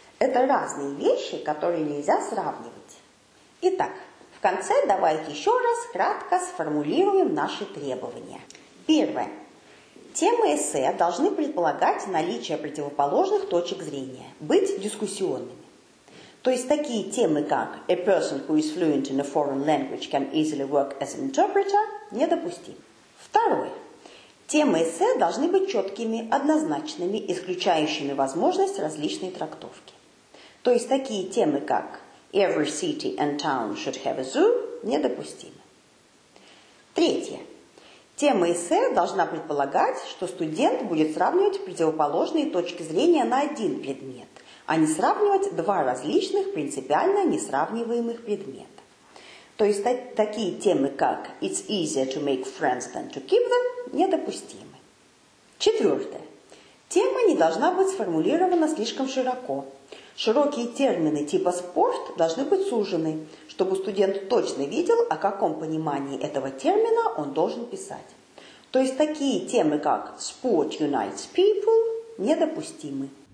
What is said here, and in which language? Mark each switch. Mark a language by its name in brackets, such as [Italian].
[Russian] Это разные вещи, которые нельзя сравнивать. Итак, в конце давайте еще раз кратко сформулируем наши требования. Первое. Темы эссе должны предполагать наличие противоположных точек зрения, быть дискуссионными. То есть такие темы, как [English] «A person who is fluent in a foreign language can easily work as an interpreter» [Russian] недопустимы. Второе. Темы эссе должны быть четкими, однозначными, исключающими возможность различной трактовки. То есть такие темы, как [English] «Every city and town should have a zoo» [Russian] недопустимы. Третье. Тема эссе должна предполагать, что студент будет сравнивать противоположные точки зрения на один предмет, а не сравнивать два различных принципиально несравниваемых предмета. То есть такие темы, как [English] «It's easier to make friends than to keep them» [Russian] недопустимы. Четвертое. Тема не должна быть сформулирована слишком широко. Широкие термины типа «спорт» должны быть сужены, чтобы студент точно видел, о каком понимании этого термина он должен писать. То есть такие темы, как [English] «Sport unites people» [Russian] недопустимы.